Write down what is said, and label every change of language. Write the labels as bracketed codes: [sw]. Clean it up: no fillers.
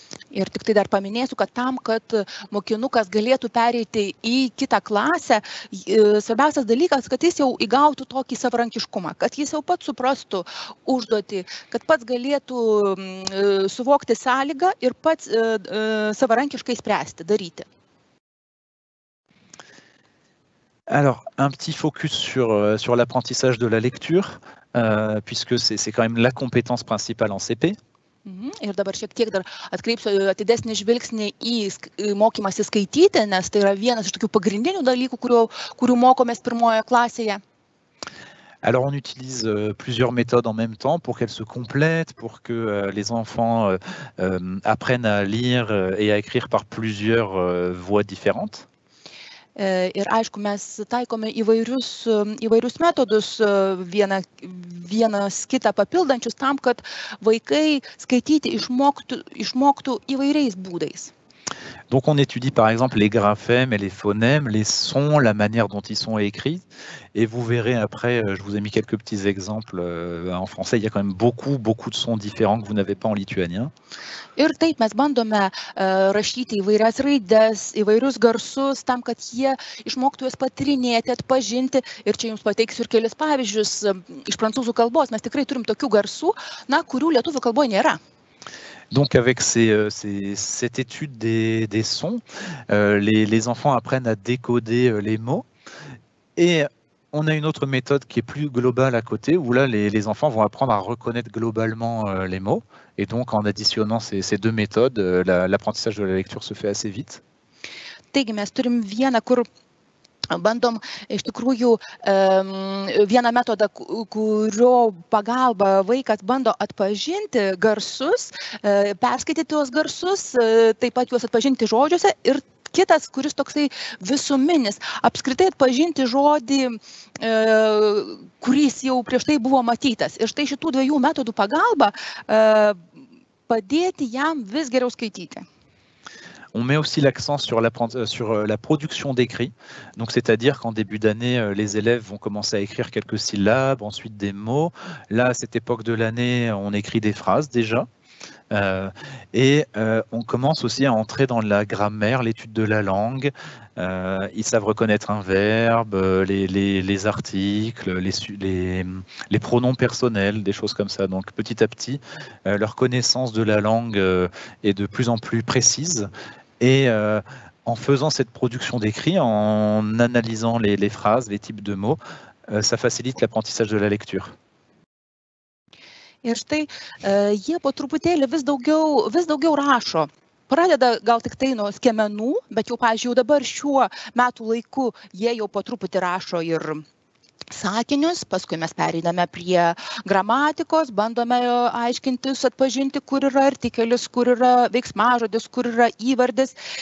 [lt] Ir tik tai dar paminėsiu, kad tam, kad mokinukas galėtų pereiti į kitą klasę, svarbiausias dalykas, kad jis jau įgautų tokį savarankiškumą, kad jis jau pats suprastų užduotį, kad pats galėtų suvokti sąlygą ir pats savarankiškai spręsti, daryti. [fr] Alors, un petit focus sur l'apprentissage de la lecture, puisque c'est quand même la compétence principale en CP. [lt] Ir dabar šiek tiek dar atkreipsiu atidesnį žvilgsnį į mokymąsi skaityti, nes tai yra vienas iš tokių pagrindinių dalykų, kurių mokomės pirmojoje klasėje. [fr] Alors on utilise plusieurs méthodes en même temps pour qu'elles se complètent, pour que les enfants apprennent à lire et à écrire par plusieurs voies différentes. [lt] Ir aišku, mes taikome įvairius metodus, vienas kitą papildančius tam, kad vaikai skaityti išmoktų įvairiais būdais. [fr] Donc on étudie par exemple les graphèmes et les phonèmes, les sons, la manière dont ils sont écrits. Et vous verrez après, je vous ai mis quelques petits exemples en français, il y a quand même beaucoup, beaucoup de sons différents que vous n'avez pas en lituanien. [lt] Ir taip, mes bandome rašyti įvairias raides, įvairius garsus, tam, kad jie išmoktų jas patrinėti, atpažinti. Ir čia jums pateiksiu ir kelis pavyzdžius iš prancūzų kalbos. Mes tikrai turim tokių garsų, na, kurių lietuvių kalboje nėra. [fr] Donc avec cette étude des sons, les enfants apprennent à décoder les mots. Et on a une autre méthode qui est plus globale à côté, où là les enfants vont apprendre à reconnaître globalement les mots. Et donc en additionnant ces deux méthodes, l'apprentissage de la lecture se fait assez vite. [lt] Taigi, mes turim vieną, kur bandom iš tikrųjų vieną metodą, kurio pagalba vaikas bando atpažinti garsus, perskaityti tuos garsus, taip pat juos atpažinti žodžiuose ir kitas, kuris toksai visuminis, apskritai atpažinti žodį, kuris jau prieš tai buvo matytas. Ir štai šitų dviejų metodų pagalba padėti jam vis geriau skaityti. [fr] On met aussi l'accent sur la production d'écrit, donc c'est-à-dire qu'en début d'année, les élèves vont commencer à écrire quelques syllabes, ensuite des mots. Là, à cette époque de l'année, on écrit des phrases déjà. Et on commence aussi à entrer dans la grammaire, l'étude de la langue. Ils savent reconnaître un verbe, les articles, les pronoms personnels, des choses comme ça. Donc petit à petit, leur connaissance de la langue est de plus en plus précise. Et en faisant cette production d'écrit, en analysant les phrases, les types de mots, ça facilite l'apprentissage de la lecture. [lt] Ir štai jie po truputėlį vis daugiau rašo. Pradeda gal tik tai nuo skiemenų, bet jau, pavyzdžiui, jau dabar šiuo metų laiku jie jau po truputį rašo ir sakinius, paskui mes pereiname prie gramatikos, bandome aiškintis, atpažinti, kur yra artikelis, kur yra veiksmažodis, kur yra įvardis.